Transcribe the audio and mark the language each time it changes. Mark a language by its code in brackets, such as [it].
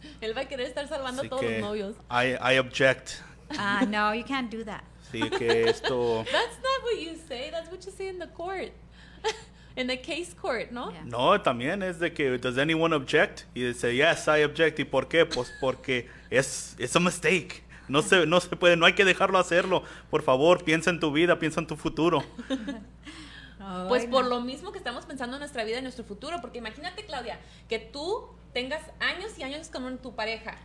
[es] Él va a querer estar salvando a todos los novios. [en] I object. No, you can't do that. [es] Sí, que esto... [en] That's not what you say, that's what you say in the court. In the case court, ¿no? Yeah. [es] No, también es de que, [en] does anyone object? [es] Y dice, [en] yes, I object. [es] ¿Y por qué? Pues porque es [en] a mistake. [es] No se puede, no hay que dejarlo hacerlo. Por favor, piensa en tu vida, piensa en tu futuro. Pues por lo mismo que estamos pensando en nuestra vida y nuestro futuro. Porque imagínate, Claudia, que tú tengas años y años con tu pareja.